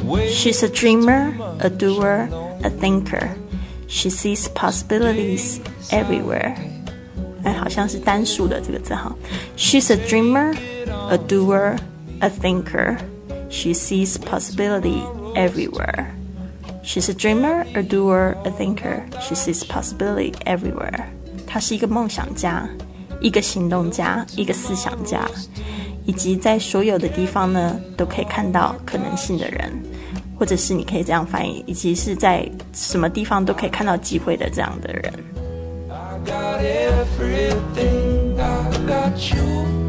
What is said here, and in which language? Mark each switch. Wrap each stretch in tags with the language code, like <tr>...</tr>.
<en>She's a dreamer, a doer, a thinker. She sees possibilities everywhere。</en> <zh>哎，好像是单数的这个字哈。</zh> <en>She's a dreamer, a doer, a thinkerShe sees possibility everywhere. She's a dreamer, a doer, a thinker. She sees possibility everywhere.</en> <zh>她是一个梦想家，一个行动家，一个思想家，以及在所有的地方呢都可以看到可能性的人，或者是你可以这样翻译，以及是在什么地方都可以看到机会的这样的人。</zh> <en>I got everything, I got you.</en>